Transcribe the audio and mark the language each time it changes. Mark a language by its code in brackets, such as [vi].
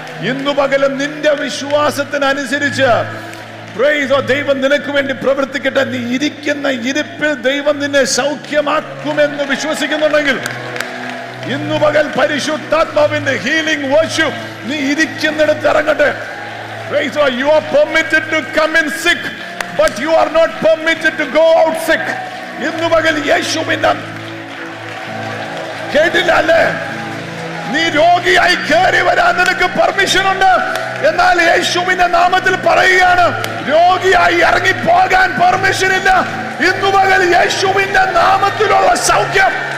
[ml] ഇന്നു പകലും നിന്റെ വിശ്വാസത്തിനനുസരിച്ച് ദൈവം നിനക്ക് വേണ്ടി പ്രവർത്തിക്കട്ടെ. നീ ഇരിക്കുന്ന ഇരിപ്പിൽ ദൈവം നിന്നെ സൗഖ്യമാക്കുമെന്ന് വിശ്വസിക്കുന്നുണ്ടെങ്കിൽ ഇന്നു പകൽ പരിശുദ്ധാത്മാവിന്റെ ഹീലിംഗ് വർഷിപ്പ് നീ ഇരിക്കുന്നിടത്ത് ഇറങ്ങട്ടെ. [en] Praise God, you are permitted to come in sick, but you are not permitted to go out sick. [ml] ഇന്നു പകൽ യേശുവിന്റെ കേട്ടില്ലല്ലേ, നീ രോഗിയായി കയറി വരാൻ നിനക്ക് പെർമിഷൻ ഉണ്ട്. എന്നാൽ യേശുവിന്റെ നാമത്തിൽ പറയുകയാണ്, രോഗിയായി ഇറങ്ങി പോകാൻ പെർമിഷൻ ഇല്ല. ഇന്നു പകൽ യേശുവിന്റെ നാമത്തിലുള്ള സൗഖ്യം.